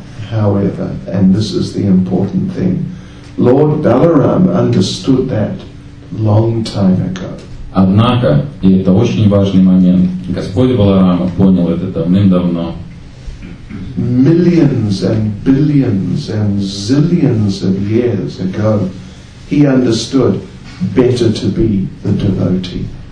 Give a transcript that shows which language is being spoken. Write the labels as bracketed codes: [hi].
[en] However, and this is the important thing, Lord Balaram understood that long time ago. [ru] Однако, и это очень важный момент, Господь Баларама понял это давным-давно. [en] Millions and billions and zillions of years ago, he understood better to be the devotee.